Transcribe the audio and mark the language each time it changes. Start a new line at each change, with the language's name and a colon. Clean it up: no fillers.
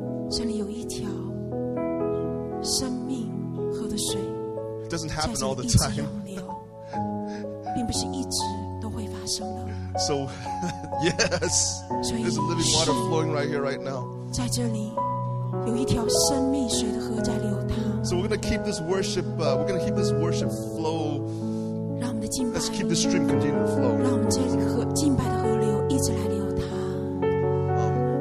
Chinese: 这里有一条生命河的水。
English: It doesn't happen all the time.
Chinese: 并不是一直都会发生的。
English: So, yes, there's a living water flowing right here, right now.
Chinese: 在这里有一条生命水的河在流淌。
English: So we're going to keep this worship, we're going to keep this worship flow. Let's keep this stream continue to flow.
Chinese: 让我们这河敬拜的河流一直来流淌。